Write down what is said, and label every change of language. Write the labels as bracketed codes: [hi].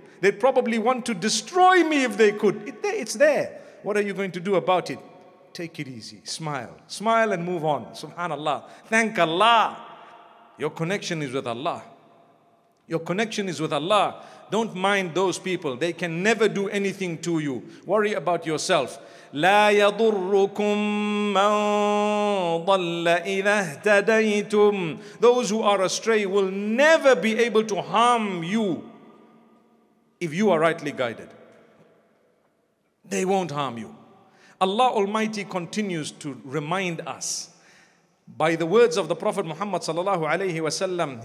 [en] They'd probably want to destroy me if they could. It's there. What are you going to do about it? Take it easy. Smile. Smile and move on. Subhanallah. Thank Allah. Your connection is with Allah. Your connection is with Allah. Don't mind those people. They can never do anything to you. Worry about yourself. [ar] لا يضركم من ضل إذا اهتديتم. [en] Those who are astray will never be able to harm you if you are rightly guided. They won't harm you. Allah Almighty continues to remind us by the words of the Prophet Muhammad sallallahu alayhi wa sallam.